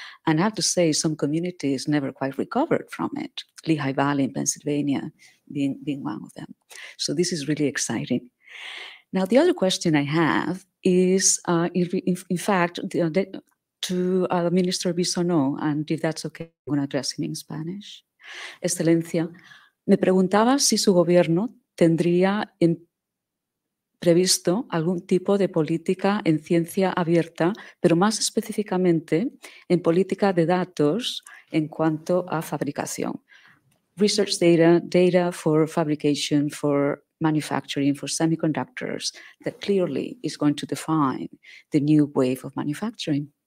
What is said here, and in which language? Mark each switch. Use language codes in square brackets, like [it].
[en] And I have to say, some communities never quite recovered from it, Lehigh Valley in Pennsylvania being one of them. So this is really exciting. Now, the other question I have is, to Minister Bisonneau, and if that's okay, I'm going to address him in Spanish. [es] Excelencia, me preguntaba si su gobierno tendría previsto algún tipo de política en ciencia abierta, pero más específicamente en política de datos en cuanto a fabricación. [en] Research data for fabrication, for manufacturing, for semiconductors, that clearly is going to define the new wave of manufacturing.